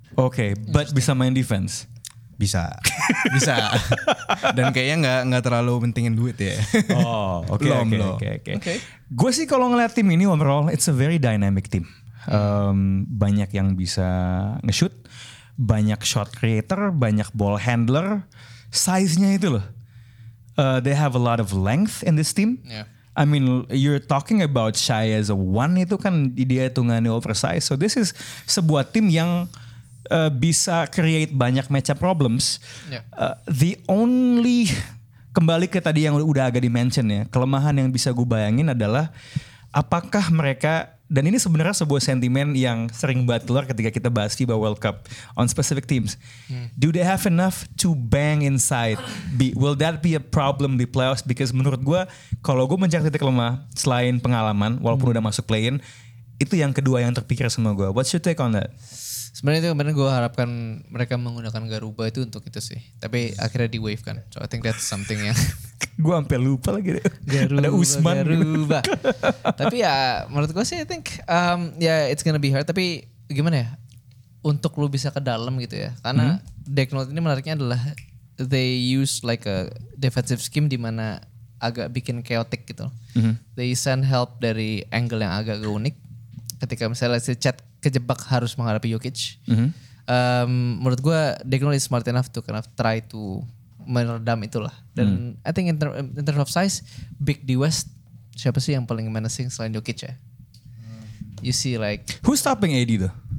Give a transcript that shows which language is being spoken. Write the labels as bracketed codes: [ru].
[en] Okay, but [id] bisa main [en] defense? [id] Bisa. Bisa. Dan kayaknya enggak terlalu pentingin duit ya. Oh, oke. Okay. Gue sih kalau ngeliat tim ini overall, [en] it's a very dynamic team. [id] Banyak yang bisa nge-shoot. Banyak shot creator, banyak ball handler, size-nya itu loh. [en] They have a lot of length in this team. Yeah. I mean, you're talking about Shai as a one, [id] itu kan dia hitungannya oversize. [en] So this is [id] sebuah tim yang bisa [en] create banyak matchup problems. Yeah. The only, [id] kembali ke tadi yang udah agak di-mention ya, kelemahan yang bisa gue bayangin adalah apakah mereka... Dan ini sebenarnya sebuah sentimen yang sering banget keluar ketika kita bahas FIBA World Cup on specific teams. [en] Do they have enough to bang inside? Will that be a problem di playoffs? [id] Because menurut gue, kalau gue mencari titik lemah selain pengalaman, walaupun udah masuk play-in, itu yang kedua yang terpikir sama gue. [en] What's your take on that? [id] Sebenarnya itu kemarin gue harapkan mereka menggunakan Garuba itu untuk itu sih. Tapi akhirnya di wave kan. [en] So I think that's something yang... [id] Gue sampe lupa lagi deh. Garuba, ada Usman. Garuba. Tapi ya menurut gue sih [en] I think it's gonna be hard. [id] Tapi gimana ya? Untuk lu bisa ke dalam gitu ya. Karena deck note ini menariknya adalah [en] they use like a defensive scheme [id] di mana agak bikin chaotic gitu. [en] They send help [id] dari angle yang agak unik. Ketika misalnya si Chat kejebak harus menghadapi Jokic. Menurut gue [en] Dignol is smart enough to kind of try to [id] meredam itulah. Dan [en] I think in terms of size, [id] big di West, siapa sih yang paling menacing selain Jokic ya? [en] You see like... Who's stopping AD though?